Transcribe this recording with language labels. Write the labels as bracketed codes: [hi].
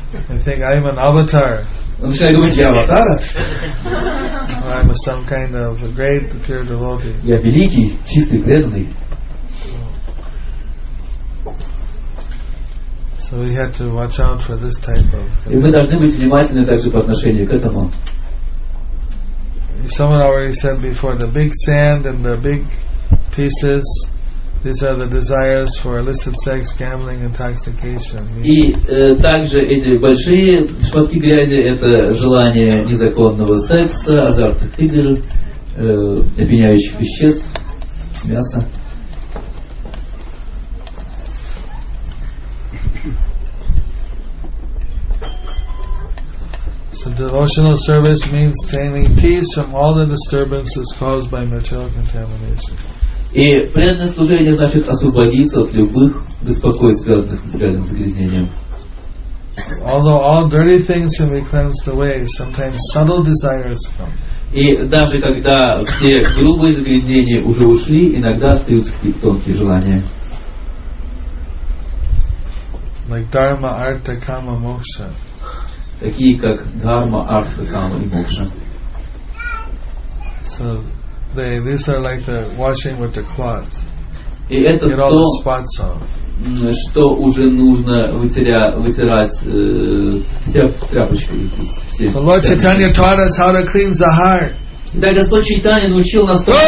[en] I think I'm an avatar. [ru] Он начинает думать, я аватар. [en] I'm some kind of a great pure devotee. [ru] Я великий, чистый преданный. [en] So we have to watch out for this type of. [ru] И мы должны быть внимательны также по отношению к этому. [en] Someone already said before the big sand and the big pieces. These are the desires for illicit sex, gambling, intoxication. [ru] И также эти большие шматки грязи – это желание незаконного секса, азартных игр, опьяняющих веществ, мяса. [en] So devotional service means taming peace from all the disturbances caused by material contamination. [ru] И преданное служение значит освободиться от любых беспокойств, связанных с материальным загрязнением. [en] Although all dirty things can be cleansed away, sometimes subtle desires come. [ru] И даже когда все грубые загрязнения уже ушли, иногда остаются какие-то тонкие желания. [en] Like dharma, artha, kama, moksha. [ru] Такие как дхарма, артха, кама и мокша. [en] So they, these are like the washing with the cloth. [ru] И это [en] get [ru] то, [en] all the spots off. [ru] Что уже нужно вытирать все в тряпочках. [en] So Lord Chaitanya taught us how to clean the heart. [ru] Итак, Господь Чайтанья научил нас.